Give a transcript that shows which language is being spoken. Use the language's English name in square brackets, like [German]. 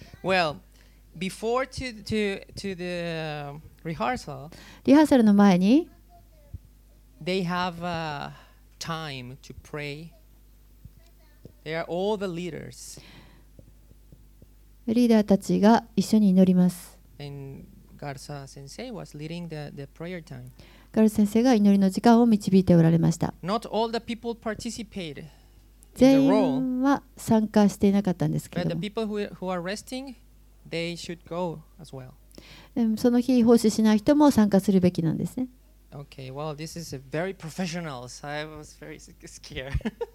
[English] Well, before to the rehearsal, [Japanese] リハーサルの前に、 [English] they have a time to pray. They are all the leaders. [Japanese] リーダーたちが一緒に祈ります。 [English] And Garza Sensei was leading the prayer time. [Japanese] ガルサ先生が祈りの時間を導いておられました。 [English] Not all the people participated. [Japanese] 全員は参加していなかったんですけども [English] 、resting, well. [Japanese] その日奉仕しない人も参加するべきなんですね。 [English] Okay. Well, this is a very professional, so I was very scared.